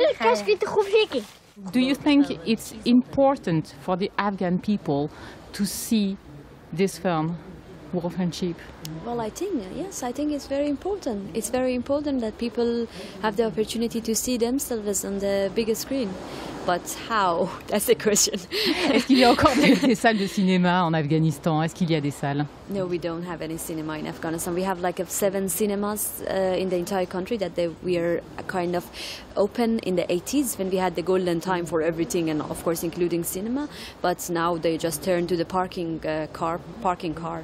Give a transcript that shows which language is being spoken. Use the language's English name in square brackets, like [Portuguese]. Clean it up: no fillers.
[English] Do you think it's important for the Afghan people to see this film, Wolf and Sheep? Well, I think, yes, I think it's very important. It's very important that people have the opportunity to see themselves on the bigger screen. But how? That's the question. [French] Est-ce qu'il y a encore des salles de cinéma en Afghanistan? Est-ce qu'il y a des salles? [English] No, we don't have any cinema in Afghanistan. We have like 7 cinemas in the entire country that they were kind of open in the 80s when we had the golden time for everything, and of course including cinema. But now they just turned to the parking car.